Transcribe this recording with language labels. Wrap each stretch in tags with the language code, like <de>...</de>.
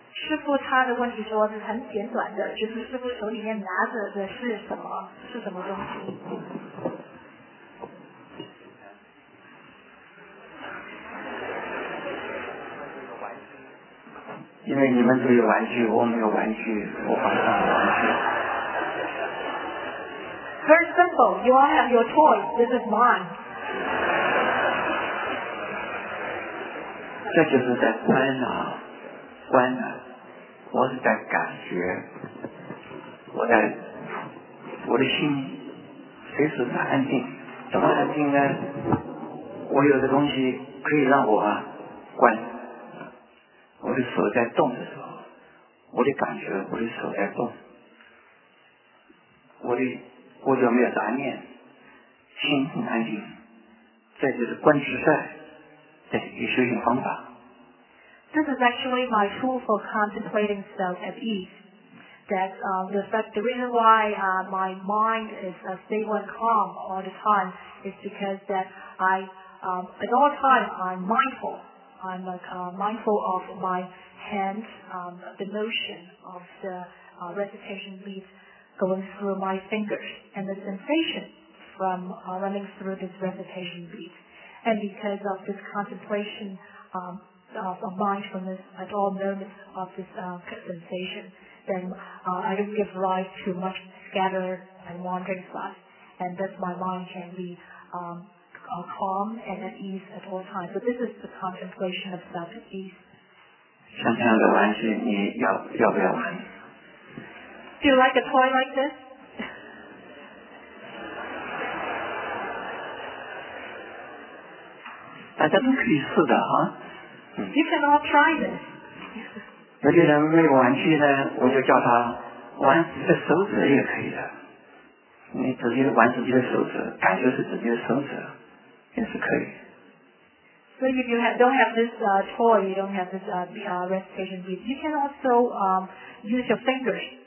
<zh>师父他的问题说是很简短的，就是师父手里面拿着的是什么，是什么东西。因为你们都有玩具，我没有玩具，我把它当玩具。</zh> <en>Very simple, you all have your toys, this is mine.</en> <zh>这就是在观啊，观啊。我是在感觉，我的心随时在安定，怎么安定呢？我有的东西可以让我关，我的手在动的时候，我的感觉我的手在动，我就没有杂念，心很安定，这就是观自在的一个修行方法。</zh> <en>This is actually my tool for contemplating self at ease. That, the reason why, my mind is stable and calm all the time is because that at all times I'm mindful. I'm mindful of my hands, the motion of the recitation beats going through my fingers and the sensation from running through this recitation beat. And because of this contemplation, of mindfulness at all moments of this sensation, then I don't give rise to much scattered and wandering thoughts, and thus my mind can be calm and at ease at all times. So this is the contemplation of self at ease.</en> <zh>像这样的玩具，你要不要玩？</zh> <en>Do you like a toy like this?</en> <zh>大家都可以试的哈。</zh> <en>You can all try this.</en> <zh>有些人没有玩具呢，我就叫他玩自己的手指也可以的。你自己玩自己的手指，感觉是自己的手指，也是可以。</zh> <en>So if you don't have this toy, you don't have this recitation beat, you can also use your fingers.</en>